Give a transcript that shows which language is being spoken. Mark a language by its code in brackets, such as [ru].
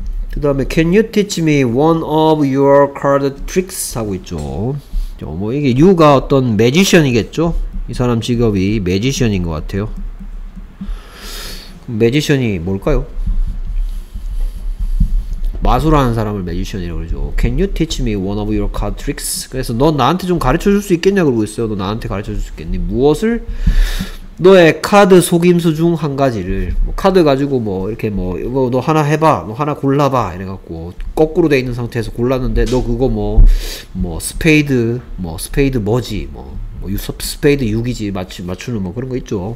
[ko] 그 다음에 [en] Can you teach me one of your card tricks? [ko] 하고 있죠. 뭐 이게 you가 어떤 매지션이겠죠? 이 사람 직업이 매지션인 것 같아요. 그럼 매지션이 뭘까요? 마술하는 사람을 매지션이라고 그러죠. [en] Can you teach me one of your card tricks? [ko] 그래서 너 나한테 좀 가르쳐줄 수 있겠냐 그러고 있어요. 너 나한테 가르쳐줄 수 있겠니? 무엇을? 너의 카드 속임수 중 한 가지를. 뭐 카드 가지고 뭐 이렇게 뭐 이거 너 하나 해봐, 너 하나 골라봐 이래갖고 거꾸로 돼 있는 상태에서 골랐는데 너 그거 스페이드 뭐지 스페이드 6이지 맞추는 뭐 그런 거 있죠.